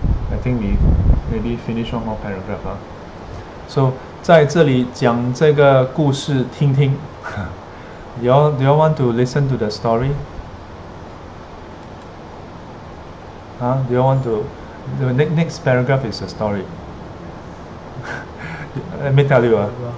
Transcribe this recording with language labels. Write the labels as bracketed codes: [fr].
[en] I think we maybe finish one more paragraph. [zh] So, 在这里讲这个故事听听。 [en] Do you want to listen to the story? Do you want to? The next paragraph is a story. Let me tell you.